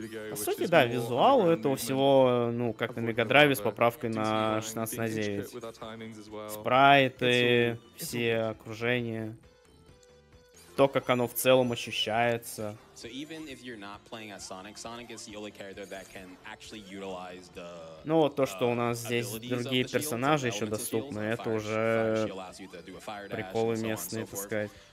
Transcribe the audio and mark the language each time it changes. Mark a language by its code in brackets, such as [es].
[ru] По сути, да, визуал у этого всего, ну, как на Мегадрайве с поправкой на 16:9. Спрайты, все окружения. То, как оно в целом ощущается. [en] So even if you're not playing as Sonic, Sonic is the only character that can actually utilize the. [ru] Ну вот то, что у нас здесь другие персонажи еще доступны, это уже приколы местные, так сказать.